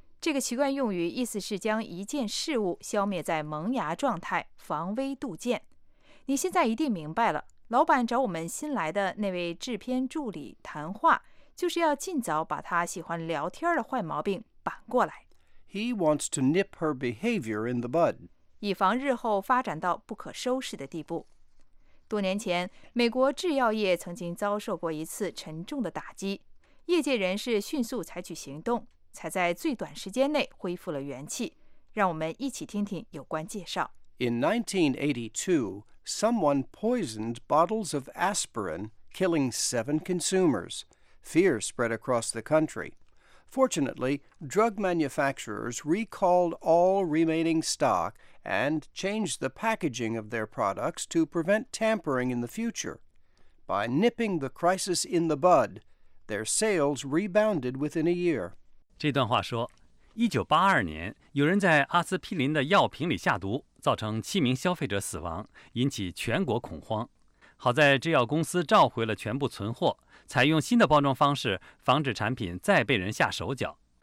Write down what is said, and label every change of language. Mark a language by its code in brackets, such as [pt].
[zh] 这个习惯用语意思是将一件事物消灭在萌芽状态，防微杜渐。你现在一定明白了，老板找我们新来的那位制片助理谈话，就是要尽早把他喜欢聊天的坏毛病扳过来。 [en] He wants to nip her behavior in the bud. [zh] 以防日后发展到不可收拾的地步。多年前，美国制药业曾经遭受过一次沉重的打击，业界人士迅速采取行动，才在最短时间内恢复了元气。让我们一起听听有关介绍。 [en] In 1982, someone poisoned bottles of aspirin, killing 7 consumers. Fear spread across the country. Fortunately, drug manufacturers recalled all remaining stock and changed the packaging of their products to prevent tampering in the future. By nipping the crisis in the bud, their sales rebounded within a year. [zh] 这段话说，1982年，有人在阿司匹林的药瓶里下毒，造成七名消费者死亡，引起全国恐慌。好在制药公司召回了全部存货，采用新的包装方式，防止产品再被人下手脚。